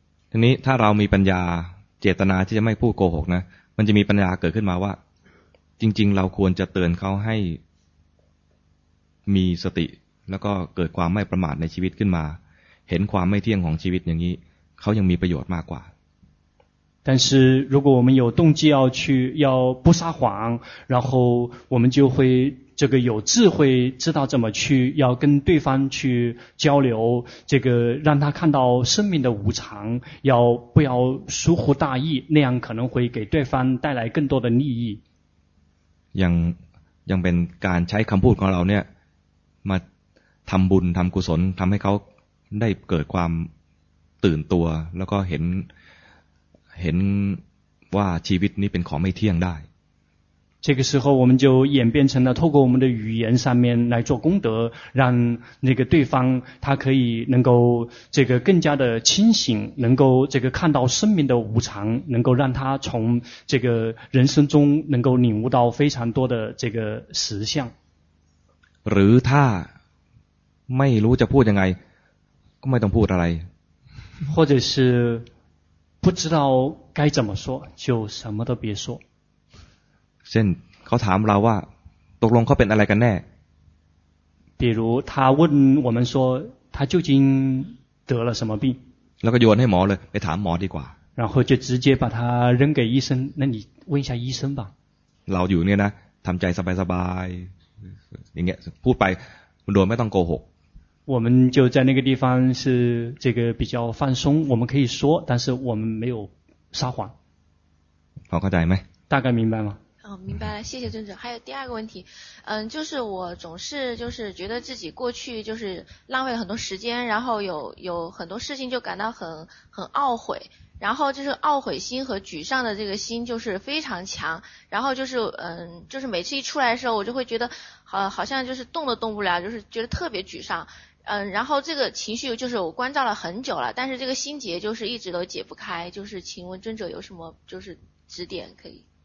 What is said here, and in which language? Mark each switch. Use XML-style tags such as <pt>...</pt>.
<th>ทีนี้ถ้าเรามีปัญญาเจตนาที่จะไม่พูดโกหกนะมันจะมีปัญญาเกิดขึ้นมาว่าจริงๆเราควรจะเตือนเขาให้มีสติแล้วก็เกิดความไม่ประมาทในชีวิตขึ้นมาเห็นความไม่เที่ยงของชีวิตอย่างนี้เขายังมีประโยชน์มากกว่า</th> <zh>但是如果我们有动机要去要不撒谎然后我们就会这个有智慧知道怎么去要跟对方去交流，这个让他看到生命的无常，要不要疏忽大意，那样可能会给对方带来更多的利益。</zh> <th>ยังเป็นการใช้คำพูดของเราเนี่ยมาทำบุญทำกุศลทำให้เขาได้เกิดความตื่นตัวแล้วก็เห็นว่าชีวิตนี้เป็นของไม่เที่ยงได้</th> <zh>这个时候我们就演变成了透过我们的语言上面来做功德，让那个对方他可以能够这个更加的清醒，能够这个看到生命的无常，能够让他从这个人生中能够领悟到非常多的这个实相。</zh> <th>หรือถ้าไม่รู้จะพูดยังไงก็ไม่ต้องพูดอะไร</th> <zh>或者是不知道该怎么说就什么都别说</zh> <th>เช่นเขาถามเราว่าตกลงเขาเป็นอะไรกันแน่</th> <zh>比如他问我们说他究竟得了什么病</zh> <th>แล้วก็โยนให้หมอเลยไปถามหมอดีกว่า</th> <zh>然后就直接把他扔给医生那你问一下医生吧</zh> <th>เราอยู่เนี่ยนะทำใจสบายๆอย่างเงี้ยพูดไปโดยไม่ต้องโกหก</th> <zh>我们就在那个地方是这个比较放松我们可以说但是我们没有撒谎</zh> <th>พอเข้าใจไหม</th> <zh>大概明白吗哦、明白了谢谢尊者还有第二个问题嗯就是我总是就是觉得自己过去就是浪费了很多时间然后有很多事情就感到很懊悔然后就是懊悔心和沮丧的这个心就是非常强然后就是嗯就是每次一出来的时候我就会觉得好像就是动都动不了就是觉得特别沮丧嗯然后这个情绪就是我关照了很久了但是这个心结就是一直都解不开就是请问尊者有什么就是指点可以</zh>